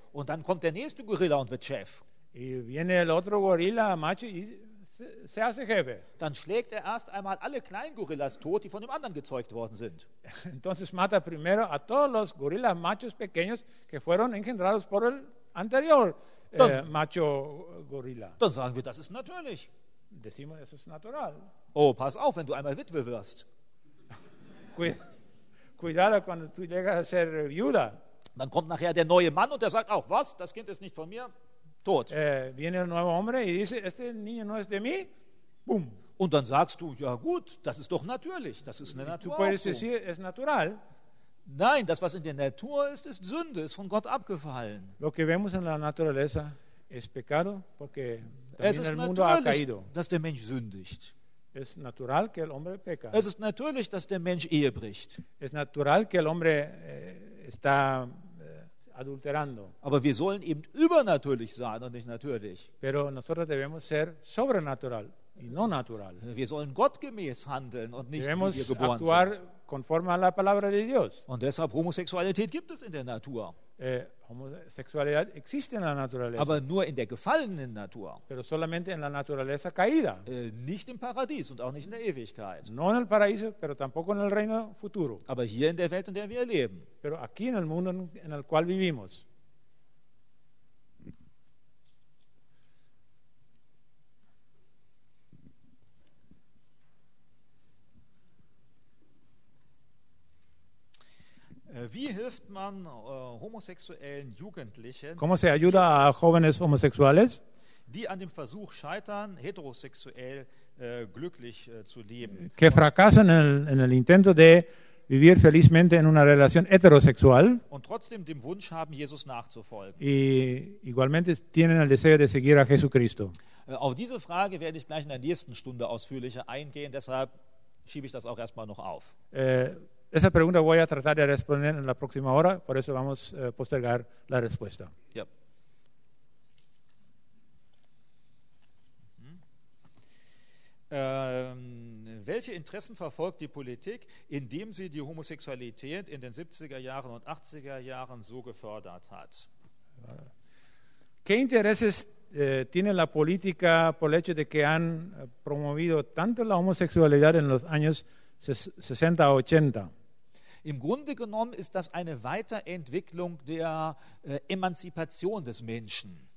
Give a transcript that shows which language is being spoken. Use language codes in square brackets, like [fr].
[de] und dann kommt der nächste Gorilla und wird Chef. [es] Y viene el otro gorila macho y se hace jefe. [de] Dann schlägt er erst einmal alle kleinen Gorillas tot, die von dem anderen gezeugt worden sind. [es] Entonces mata primero a todos los gorilas machos pequeños que fueron engendrados por el anterior macho gorila. [de] Dann sagen wir, das ist natürlich. [es] Decimos, eso es natural. [de] Oh, pass auf, wenn du einmal Witwe wirst. [es] Cuidado cuando tú llegas a ser viuda. [de] Dann kommt nachher der neue Mann und der sagt auch, was, das Kind ist nicht von mir, tot. [es] Viene el nuevo hombre y dice, este niño no es de mí, boom. [de] Und dann sagst du, ja gut, das ist doch natürlich, das ist eine Natur. [es] Tú puedes decir, es natural. [de] Nein, das, was in der Natur ist, ist Sünde, ist von Gott abgefallen. [es] Lo que vemos en la naturaleza es pecado, porque también el mundo ha caído. [de] Es ist natürlich, dass der Mensch sündigt. [es] Es natural que el hombre peca. [de] Es ist natürlich, dass der Mensch Ehe bricht. [es] Es natural que el hombre está adulterando. [de] Aber wir sollen eben übernatürlich sein und nicht natürlich. [es] Pero nosotros debemos ser sobrenatural y no natural. [de] Wir sollen gottgemäß handeln und nicht [es] debemos [de] wie wir geboren [es] actuar [de] sind. [es] Conforme a la palabra de Dios. [de] Und deshalb Homosexualität gibt es in der Natur. [es] Homosexualidad existe en la naturaleza. [de] Aber nur in der gefallenen Natur. [es] Pero solamente en la naturaleza caída. [de] Nicht im Paradies und auch nicht in der Ewigkeit. [es] No en el paraíso, pero tampoco en el reino futuro. [de] Aber hier in der Welt, in der wir leben. [es] Pero aquí en el mundo en el cual vivimos. [de] Wie hilft man homosexuellen Jugendlichen? [es] ¿Cómo se ayuda a jóvenes homosexuales? [de] Die an dem Versuch scheitern, heterosexuell glücklich zu leben. [es] Que fracasan en el intento de vivir felizmente en una relación heterosexual. [de] Und trotzdem dem Wunsch haben, Jesus nachzufolgen. [es] Y igualmente tienen el deseo de seguir a Jesucristo. [de] Auf diese Frage werde ich gleich in der nächsten Stunde ausführlicher eingehen, deshalb schiebe ich das auch erstmal noch auf. [es] Esa pregunta voy a tratar de responder en la próxima hora, por eso vamos a postergar la respuesta. Yep. [de] Welche Interessen verfolgt die Politik, indem sie die Homosexualität in den 70er Jahren und 80er Jahren so gefördert hat? [es] ¿Qué intereses tiene la política por el hecho de que han promovido tanto la homosexualidad en los años 60 a 80? [de] Im Grunde genommen ist das eine Weiterentwicklung der Emanzipation des Menschen.